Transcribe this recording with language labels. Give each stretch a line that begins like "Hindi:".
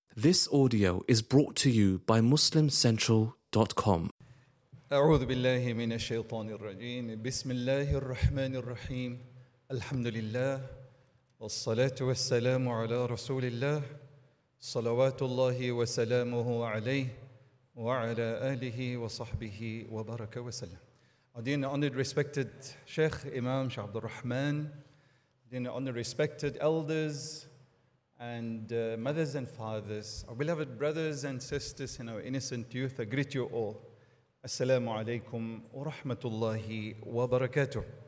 English: This audio is brought to you by MuslimCentral.com.
Arabic: أعوذ بالله من الشيطان الرجيم. بسم الله الرحمن الرحيم. الحمد لله والصلاة والسلام على رسول الله صلوات الله وسلامه عليه وعلى آله وصحبه وبارك وسلم.
English: Dear and honored, respected Sheikh Imam Sheikh Abdul Rahman, dear and honored, respected elders and mothers and fathers, our beloved brothers and sisters, and our innocent youth, I greet you all.
Arabic: Assalamu alaikum wa rahmatullahi wa barakatuh.